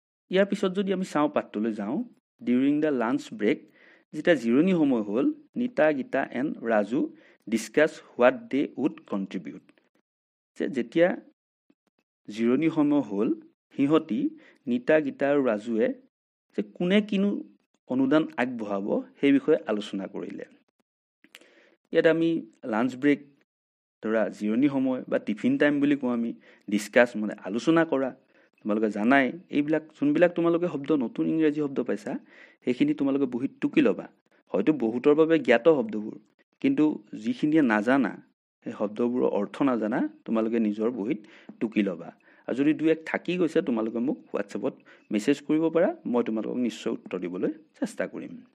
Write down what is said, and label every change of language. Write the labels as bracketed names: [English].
[Assamese] ইয়াৰ পিছত যদি আমি চাওঁ, পাত্ৰলৈ যাওঁ, [English] during the lunch break, যেতিয়া জিৰণি সময় হ'ল, Nita, Gita and Raju discuss what they would contribute, [Assamese] যেতিয়া জিৰণি সময় হ'ল, সিহঁতি নীতা, গীতা আৰু ৰাজুৱে যে কোনে কিনো অনুদান আগবঢ়াব সেই বিষয়ে আলোচনা কৰিলে। ইয়াত আমি লাঞ্চ ব্ৰেক, ধৰা জিৰণি সময় বা টিফিন টাইম বুলি কওঁ আমি, ডিছকাছ মানে আলোচনা কৰা। তোমালোকে জানাই এইবিলাক যোনবিলাক তোমালোকে শব্দ নতুন ইংৰাজী শব্দ পাইছা, সেইখিনি তোমালোকে বহীত টুকি ল'বা। হয়তো বহুতৰ বাবে জ্ঞাত শব্দবোৰ, কিন্তু যিখিনিয়ে নাজানা, সেই শব্দবোৰৰ অৰ্থ নাজানা, তোমালোকে নিজৰ বহীত টুকি ল'বা। আৰু যদি দুই এক থাকি গৈছে, তোমালোকে মোক হোৱাটছএপত মেছেজ কৰিব পাৰা, মই তোমালোকক নিশ্চয় উত্তৰ দিবলৈ চেষ্টা কৰিম।